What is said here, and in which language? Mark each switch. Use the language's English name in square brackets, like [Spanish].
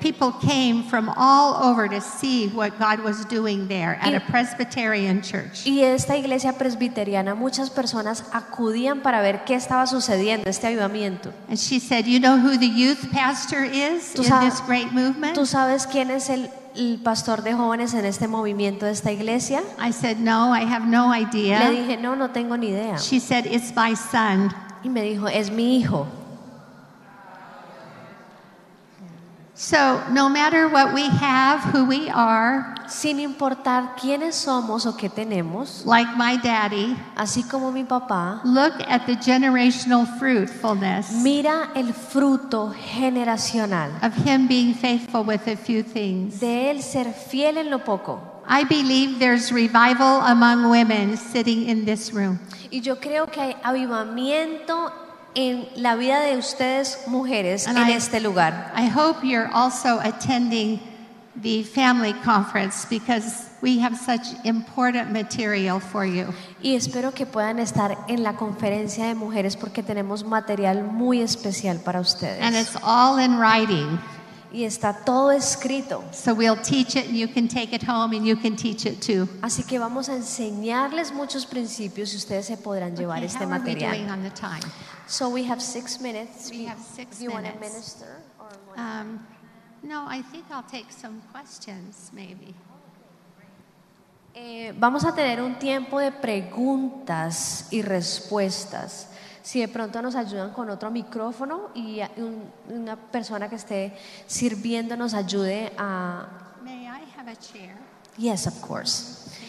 [English] People came from all over to see what God was doing there at a Presbyterian church. [Spanish] Y esta iglesia presbiteriana, muchas personas acudían para ver qué estaba sucediendo, este avivamiento. [English] And she said, "You know who the youth pastor is in this great movement?" [Spanish] ¿Sabes quién es el pastor de jóvenes en este movimiento de esta iglesia? [English] I said, "No, I have no idea." [Spanish] Le dije, "No, no tengo ni idea." [English] She said, "It's my son." [Spanish] Y me dijo, "Es mi hijo." [English] So, no matter what we have, who we are, [Spanish] sin importar quiénes somos o qué tenemos, [English] like my daddy, [Spanish] así como mi papá, [English] look at the generational fruitfulness. [Spanish] Mira el fruto generacional. [English] Of him being faithful with a few things. [Spanish] De él ser fiel en lo poco. [English] I believe there's revival among women sitting in this room. [Spanish] Y yo creo que hay avivamiento en la vida de ustedes mujeres [English] And [Spanish] en este lugar. [English] I hope you're also attending the family conference because we have such important material for you. [Spanish] Y espero que puedan estar en la conferencia de mujeres porque tenemos material muy especial para ustedes. [English] And it's all in writing. [Spanish] Y está todo escrito. [English] So we'll teach it and you can take it home and you can teach it too. [Spanish] Así que vamos a enseñarles muchos principios y ustedes se podrán llevar [English] okay, [Spanish] este material. [English] How are we doing on the time? So we have 6 minutes. We have six Do you minutes. Want to minister? Or no, I think I'll take some questions, maybe. [Spanish] Vamos a tener un tiempo de preguntas y respuestas. Si de pronto nos ayudan con otro micrófono y una persona que esté sirviendo nos ayude a... [English] May I have a chair? Yes, of course.